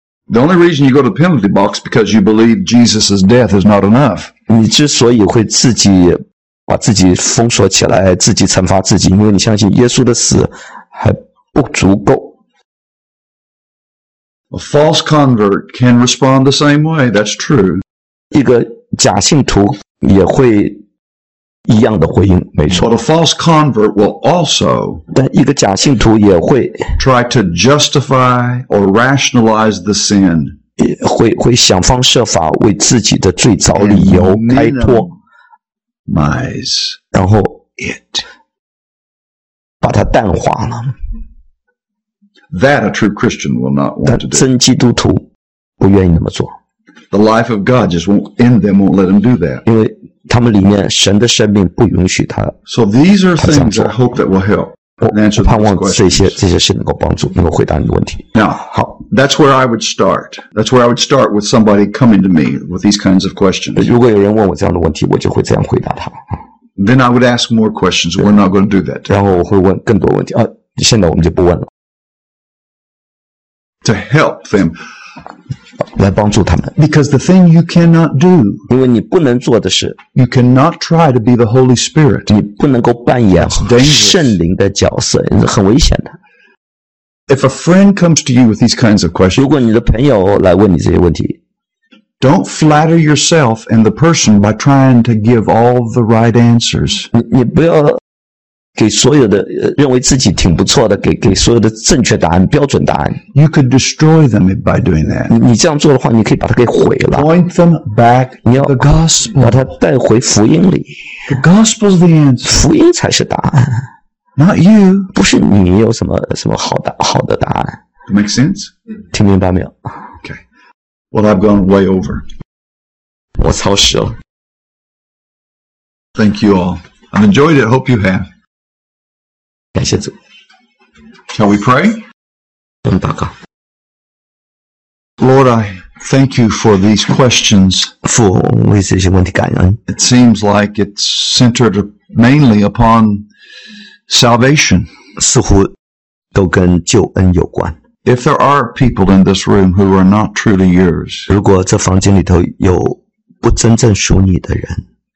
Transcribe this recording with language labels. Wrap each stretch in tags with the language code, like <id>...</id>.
<en>The only reason you go to the penalty box is because you believe Jesus' death is not enough.</en> <zh>你之所以会自己把自己封锁起来，自己惩罚自己，因为你相信耶稣的死还不足够。</zh> <en>A false convert can respond the same way. That's true.</en> <zh>一个假信徒也会一样的回应，没错。</zh> <en>But a false convert will also</en> <zh>但一个假信徒也会</zh> <en>try to justify or rationalize the sin</en> <zh>会想方设法为自己的罪找理由开脱</zh> <en>minimize</en> <zh>然后</zh> <en>it</en> <zh>把它淡化了。</zh> <en>That a true Christian will not want to do.</en> <zh>但真基督徒不愿意那么做。</zh> <en>The life of God just won't in them won't let them do that.</en> <zh>因为他们里面神的生命不允许他。</zh> <en>So these are things I hope that will help.</en> <zh>我盼望这些事能够帮助，能够回答你的问题。</zh> <en>Now, that's where I would start. That's where I would start with somebody coming to me with these kinds of questions.</en> <zh>如果有人问我这样的问题，我就会这样回答他。</zh> <en>Then I would ask more questions. We're not going to do that.</en> <zh>然后我会问更多问题。现在我们就不问了。</zh> <en>To help them.</en> <zh>来帮助他们。</zh> <en>Because the thing you cannot do,</en> <zh>因为你不能做的是</zh> <en>you cannot try to be the Holy Spirit.</en> <zh>你不能够扮演圣灵的角色，很危险的。</zh> <en>If a friend comes to you with these kinds of questions,</en> <zh>如果你的朋友来问你这些问题</zh> <en>don't flatter yourself and the person by trying to give all the right answers.</en> <zh>你不要给所有的认为自己挺不错的给所有的正确答案标准答案</zh> <en>You could destroy them by doing that</en> <zh>你这样做的话你可以把它给毁了</zh> <en>Point them back to the gospel</en> <zh>把它带回福音里</zh> <en>The gospel's the answer</en> <zh>福音才是答案</zh> <en>Not you</en> <zh>不是你有什么好的答案</zh> <en>Make sense?</en> <zh>听明白没有</zh> <en>Okay Well I've gone way over</en> <zh>我超时了</zh> <en>Thank you all I've enjoyed it hope you have Shall we pray?</en> <zh>我们祷告。</zh> <en>Lord, I thank you for these questions.</en> <zh>父，为这些问题感恩。</zh> <en>It seems like it's centered mainly upon salvation.</en> <zh>似乎都跟救恩有关。</zh> <en>If there are people in this room who are not truly yours,</en> <zh>如果这房间里头有不真正属你的人</zh>